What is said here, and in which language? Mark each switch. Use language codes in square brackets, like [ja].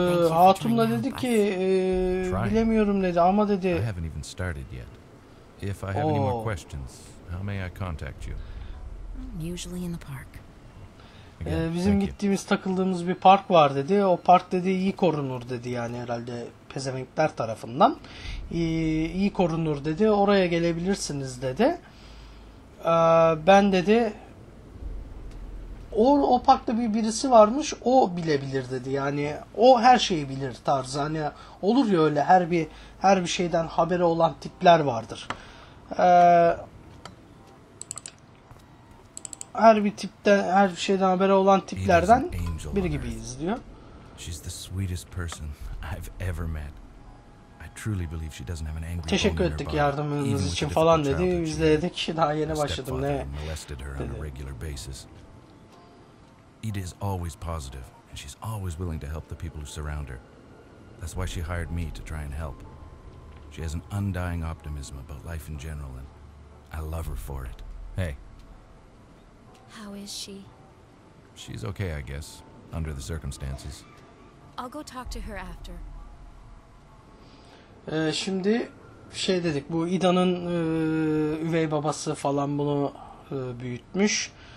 [tr] Hatun'la dedi ki, bilemiyorum dedi ama dedi. [en] I haven't even started yet. If I have any more questions, how may I contact you? Usually in the park. [tr] Bizim gittiğimiz, takıldığımız bir park var dedi. O park dedi iyi korunur dedi yani herhalde pezevenkler tarafından. İyi korunur dedi. Oraya gelebilirsiniz dedi. Ben dedi o parkta bir birisi varmış. O bilebilir dedi. Yani o her şeyi bilir tarzı. Hani olur ya öyle her bir şeyden haberi olan tipler vardır. Her bir tipten, her bir şeyden haberi olan tiplerden biri gibiyiz diyor. [en] She's the sweetest person I've ever met. I truly believe she doesn't have an angry bone. [tr] Teşekkür ettik yardımınız için falan dedi. Biz de dedik ki daha yeni başladım ne. [en] Molested her on a regular basis. Edith is always positive and she's always willing to help the people who surround her. That's why she hired me to try and help. She has an undying optimism about life in general and I love her for it. Hey. How is she? She's okay, I guess, under the circumstances. I'll go talk to her after. [tr] Şimdi şey dedik, bu Ida'nın üvey babası falan bunu büyütmüş.